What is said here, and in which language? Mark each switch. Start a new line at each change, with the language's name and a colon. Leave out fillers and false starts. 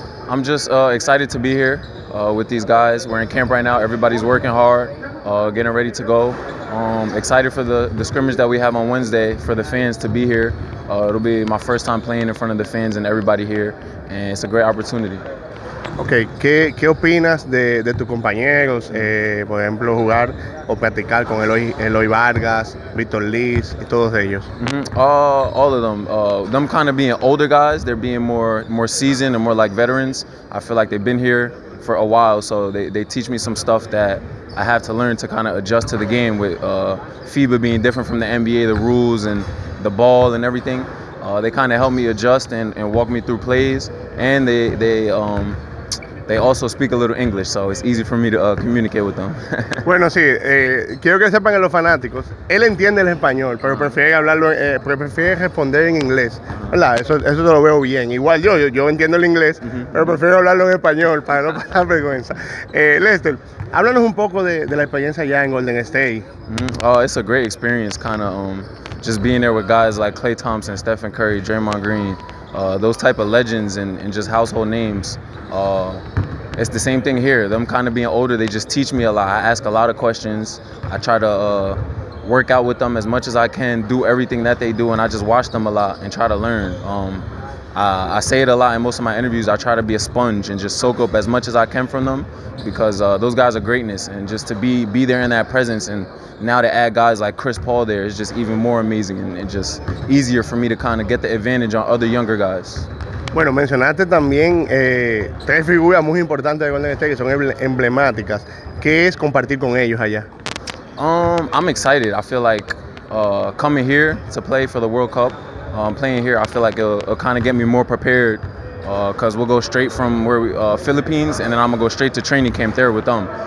English: I'm just excited to be here with these guys. We're in camp right now. Everybody's working hard, getting ready to go. Excited for the scrimmage that we have on Wednesday for the fans to be here. It'll be my first time playing in front of the fans and everybody here, and it's a great opportunity.
Spanish: Okay, ¿qué opinas de tus compañeros, por ejemplo, jugar o practicar con Eloy Vargas, Víctor Liz y todos ellos?
English: All of them. Them kind of being older guys, they're being more seasoned and more like veterans. I feel like they've been here for a while, so they teach me some stuff that I have to learn to kind of adjust to the game with FIBA being different from the NBA, the rules and the ball and everything. They kind of help me adjust and walk me through plays, and they also speak a little English, so it's easy for me to communicate with them.
Spanish: Bueno, sí, quiero que sepan a los fanáticos, él entiende el español, pero prefiere responder en inglés. Hola, eso lo veo bien. Igual yo entiendo el inglés, pero prefiero hablarlo en español para no pasar vergüenza. Lester, háblanos un poco de la experiencia allá en Golden State.
English: Oh, it's a great experience, kind of just being there with guys like Klay Thompson, Stephen Curry, Draymond Green. Those type of legends and just household names. It's the same thing here. Them kind of being older, they just teach me a lot. I ask a lot of questions. I try to work out with them as much as I can, do everything that they do, and I just watch them a lot and try to learn. I say it a lot in most of my interviews. I try to be a sponge and just soak up as much as I can from them, because those guys are greatness, and just to be there in that presence, and now to add guys like Chris Paul there is just even more amazing and just easier for me to kind of get the advantage on other younger guys.
Spanish: Bueno, mencionaste también tres figuras muy importantes de Golden State que son emblemáticas. ¿Qué es compartir con ellos allá?
English: I'm excited. I feel like coming here to play for the World Cup, playing here, I feel like it'll kind of get me more prepared, because we'll go straight from where we Philippines, and then I'm gonna go straight to training camp there with them.